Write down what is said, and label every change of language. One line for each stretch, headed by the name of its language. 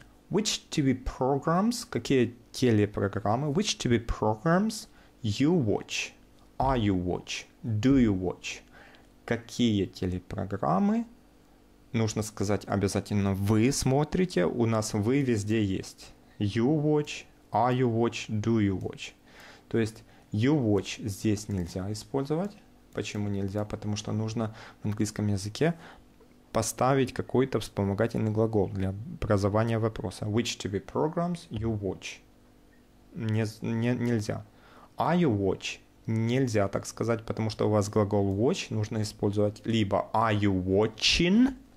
English: Which TV programs?
Russian: Какие телепрограммы?
English: Which TV programs you watch? Are you watch? Do you watch?
Russian: Какие телепрограммы? Нужно сказать обязательно вы смотрите. У нас вы везде есть.
English: You watch, are you watch, do you watch?
Russian: То есть
English: you watch
Russian: здесь нельзя использовать. Почему нельзя? Потому что нужно в английском языке поставить какой-то вспомогательный глагол для образования вопроса.
English: Which TV programs you watch? Нельзя. Are you watch?
Russian: Нельзя так сказать, потому что у вас глагол watch нужно использовать либо
English: are you watching?